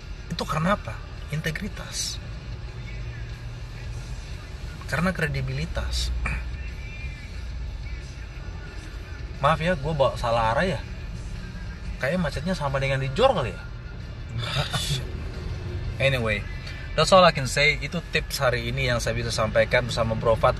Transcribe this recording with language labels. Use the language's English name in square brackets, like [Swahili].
[Indonesian] Itu karena apa? Integritas. Karena kredibilitas. Maaf ya, gue bawa salah arah ya. Kayaknya macetnya sama dengan di Jor kali ya. [English] Anyway, that's all I can say. [Indonesian] Itu tips hari ini yang saya bisa sampaikan bersama Bro Fat.